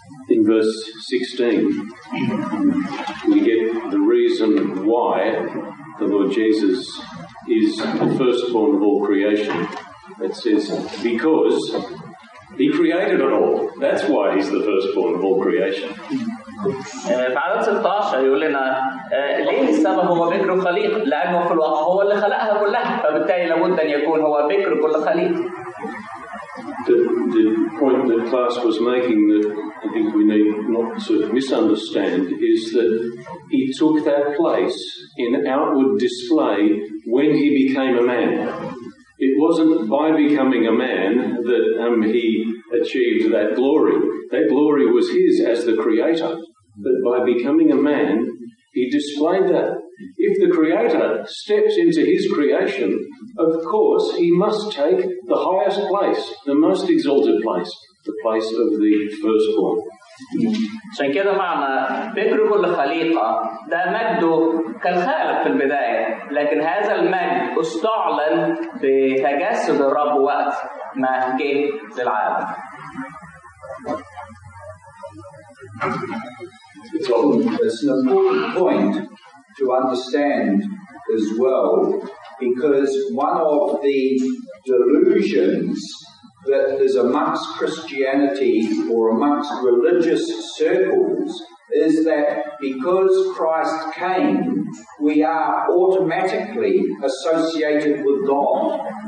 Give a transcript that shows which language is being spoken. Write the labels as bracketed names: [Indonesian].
[English] In verse 16, we get the reason why the Lord Jesus is the firstborn of all creation. It says, because He created it all. That's why He's the firstborn of all creation. [Arabic] في عدد 16 يقول لنا ليه السبب هو بكر الخليقة؟ لأنه في الواقع هو اللي خلقها كلها، فبالتالي لابد أن يكون هو بكر كل خليقة. [English] The point that Klaus was making that I think we need not to misunderstand is that He took that place in outward display when He became a man. It wasn't by becoming a man that He achieved that glory. That glory was His as the Creator. But by becoming a man, He displayed that. If the Creator steps into His creation, of course He must take the highest place, the most exalted place, the place of the firstborn. [Arabic] عشان كده معنى بكر كل خليقة ده مجده كالخالق في البداية، لكن هذا المجد استعلن بتجسد الرب وقت ما جه للعالم. [English] it's an important point to understand as well, because one of the delusions that is amongst Christianity or amongst religious circles is that because Christ came, we are automatically associated with God.